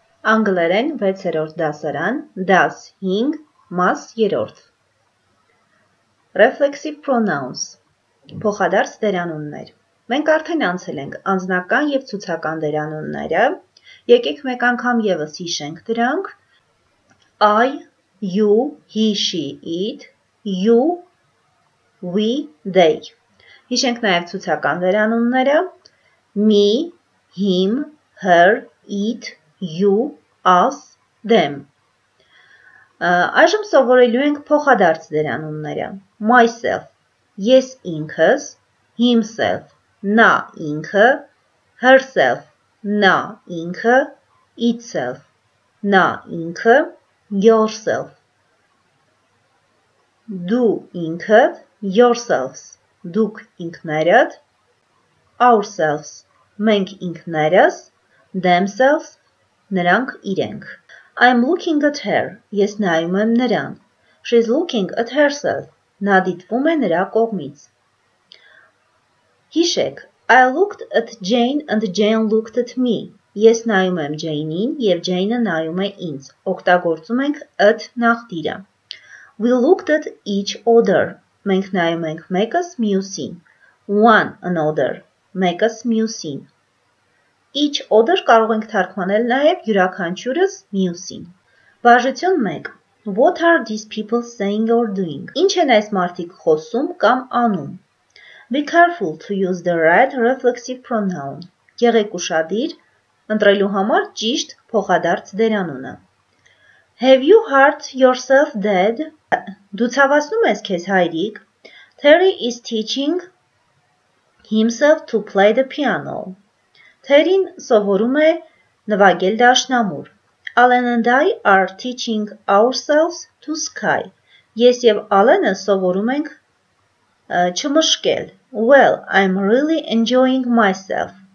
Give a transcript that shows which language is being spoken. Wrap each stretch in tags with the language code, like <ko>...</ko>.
<hy>Անգլերեն 6-րդ դասարան, դաս 5, մաս 3-րդ.</hy> <en>Reflexive pronouns.</en> <hy>Փոխադարձ դերանուններ. Մենք արդեն անցել ենք անձնական եւ ցուցական դերանունները. Եկեք մեկ անգամ եւս հիշենք դրանք.</hy> <en>I, you, he, she, it, you, we, they.</en> <hy>Հիշենք նաեւ ցուցական դերանունները.</hy> <en>Me, him, her, it, you, us, them.</en> <hy>Այժմ սովորելու ենք փոխադարձ դերանունները. Myself, ես ինքս, himself, նա ինքը, herself, նա ինքը, itself, նա ինքը, yourself. Դու ինքդ, yourselves, դուք ինքներդ, ourselves, մենք ինքներս, themselves, նրանք իրենք.</hy> <en>I'm looking at her.</en> <hy>Ես նայում եմ նրան.</hy> <en>She's looking at herself.</en> <hy>Նա դիտվում է նրա կողմից. Հիշեք,</hy> <en>I looked at Jane and Jane looked at me.</en> <hy>Ես նայում եմ Jane-ին և Jane-ը նայում է ինձ. Օգտագործում ենք at նախտիրը.</hy> <en>We looked at each other.</en> <hy>Մենք նայում ենք մեկս մյուսին.</hy> <en>One another.</en> <hy>Մեկս մյուսին. Each other կարող ենք թարգմանել նաև յուրաքանչյուրս մյուսին. Բաժություն 1.</hy> <en>What are these people saying or doing?</en> <hy>Ինչ են այս մարդիկ խոսում կամ անում?</hy> <en>Be careful to use the right reflexive pronoun.</en> <hy>Եղեք ուշադիր, ընտրելու համար ճիշտ փոխադարձ դերանունը.</hy> <en>Have you hurt yourself, Dad?</en> <hy>Դու ցավացնում ես քեզ, հայրիկ?</hy> <en>Terry is teaching himself to play the piano.</en> <hy>Թերին սովորում է նվագել դաշնամուր։</hy> <en>Alan and I are teaching ourselves to sky.</en> <hy>Ես եւ Ալենը սովորում ենք չմշկել։</hy> <en>Well, I'm really enjoying myself.</en>